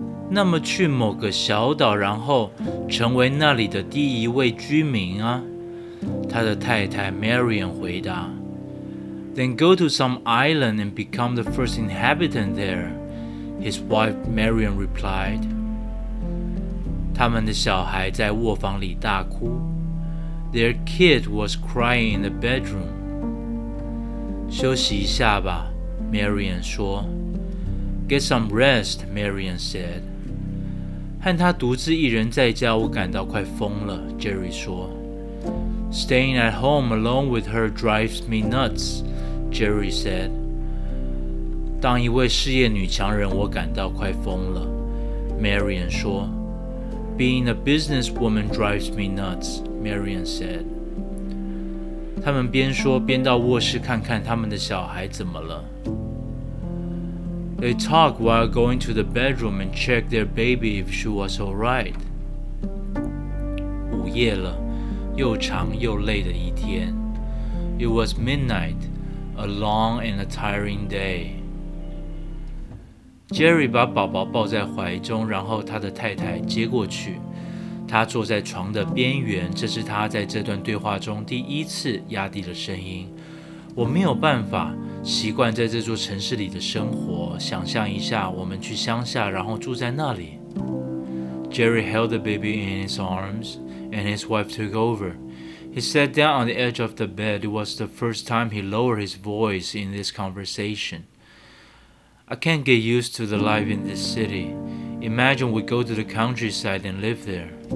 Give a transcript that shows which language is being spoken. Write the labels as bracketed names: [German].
[Chinese] 那么去某个小岛，然后成为那里的第一位居民啊？他的太太 Marion 回答。 [English] Then go to some island and become the first inhabitant there. His wife Marion replied. [Chinese] 他们的小孩在卧房里大哭。 [English] Their kid was crying in the bedroom. [Chinese] 休息一下吧 ,Marion 说。 [English] Get some rest, Marion said. [Chinese] 和他独自一人在家，我感到快疯了 ,Jerry 说。 [English] Staying at home alone with her drives me nuts, Jerry said. [Chinese] 当一位事业女强人，我感到快疯了 ,Marion 说。 [English] Being a businesswoman drives me nuts, Marion said. [Chinese] 他们边说边到卧室看看他们的小孩怎么了。 [English] They talk while going to the bedroom and check their baby if she was all right. [Chinese] 午夜了，又长又累的一天。 [English] It was midnight, a long and a tiring day. [Chinese] Jerry 把宝宝抱在怀中，然后他的太太接过去。他坐在床的边缘，这是他在这段对话中第一次压低了声音。我没有办法习惯在这座城市里的生活。想象一下，我们去乡下，然后住在那里。 [English] Jerry held the baby in his arms, and his wife took over. He sat down on the edge of the bed. It was the first time he lowered his voice in this conversation. I can't get used to the life in this city. Imagine we go to the countryside and live there.